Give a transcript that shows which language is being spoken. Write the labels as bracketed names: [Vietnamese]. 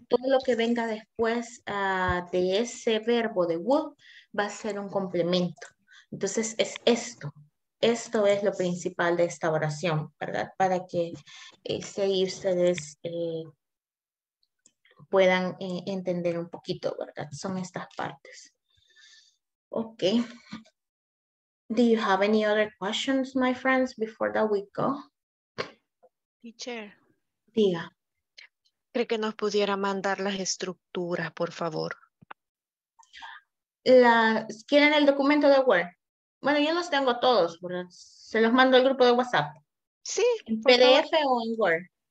[Spanish] Todo lo que venga después de ese verbo de would va a ser un complemento. Entonces, es esto. Esto es lo principal de esta oración, ¿verdad? Para que ustedes puedan entender un poquito, ¿verdad? Son estas partes. Ok. [English] Do you have any other questions, my friends, before that we go? Teacher. [Spanish] Diga. ¿Cree que nos pudiera mandar las estructuras, por favor? ¿Quieren el documento de Word? Bueno, yo los tengo todos, ¿verdad? Se los mando al grupo de WhatsApp. Sí. ¿En PDF o en Word?